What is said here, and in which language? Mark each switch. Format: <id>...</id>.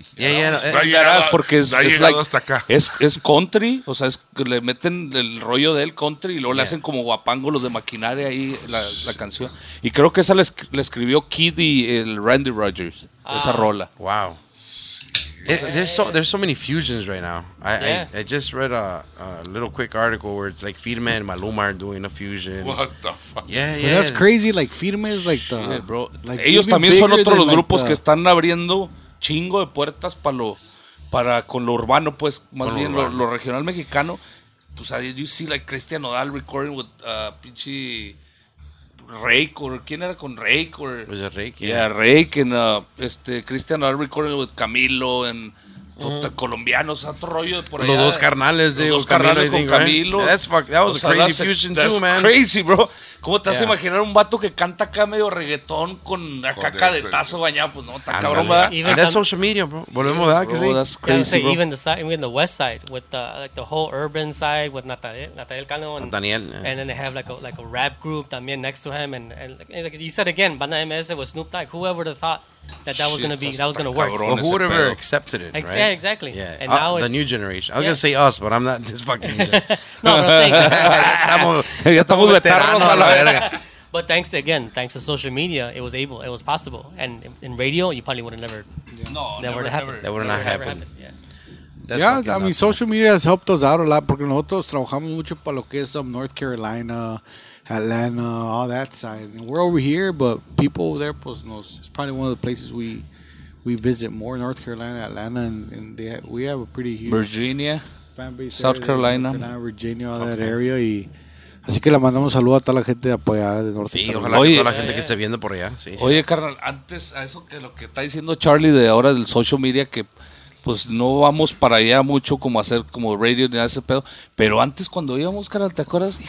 <es>Yeah, porque es like, es country, o sea, es que le meten el rollo del country y luego le hacen como guapango los de maquinaria ahí la canción. Y creo que esa le escribió Kid y el Randy Rogers, esa rola.</es> <en>Wow. There's so many fusions right now. I just read a little quick article where it's like Firme and Maluma are doing a fusion. What the fuck? Yeah. That's crazy. Like Firme is like the... Shit, bro.</en> <es>Like ellos también son otros los like grupos que están abriendo chingo de puertas para con lo urbano, pues, más bien lo regional mexicano.</es> <en>Pues, you see like Cristian Nodal recording with pinche...</en> <es>Rake, or quién era con Rake, or</es> <en>was it Rake? Rake, and Cristian Nodal recorded with Camilo and</en> <es>colombianos, otro rollo por allá. Los dos carnales de Camilo, con Camilo.</es> <en>Yeah, that was a crazy fusion, man. Crazy, bro.</en> <es>¿Cómo te vas a imaginar un vato que canta acá medio reggaetón con acá cadetazo bañado? Pues no, está cabrón, ¿verdad?</es> <en>And that's social media, bro.</en> <es>Volvemos a que sí.</es> <en>That's crazy, bro. Yeah, even the side, even the west side, with the, like the whole urban side, with Nathaniel Cano. And Daniel. And then they have like a rap group también next to him. And like you said again, Banda MS with Snoop Dogg, whoever the thought that was going to be, that was going to work. Well, who would have ever accepted it, right? Yeah, exactly. Yeah. And now it's... The new generation. I was going to say us, but I'm not this fucking... No, I'm not saying...</en> <es>estamos veteranos a la verga.</es> <en>But thanks to social media, it was possible. And in radio, you probably would have never... Yeah. That would not have happened. Yeah, that's I mean, social media has helped us out a lot,</en> <es>porque nosotros trabajamos mucho para lo que es North Carolina...</es> <en>Atlanta, all that side. And we're over here, but people over there,</en> <es>pues, nos,</es> <en>it's probably one of the places we visit more, North Carolina, Atlanta, and we have a pretty huge Virginia, fan base. South Carolina. Virginia, all that area.</en> <es>Y, así que le mandamos saludos a toda la gente de apoyar de North Carolina. Sí, ojalá que toda la gente que esté viendo por allá. Sí, oye, sí. Carnal, antes, a eso que lo que está diciendo Charlie de ahora del social media, que pues no vamos para allá mucho como hacer como radio ni nada de ese pedo, pero antes cuando íbamos, carnal, ¿te acuerdas?</es>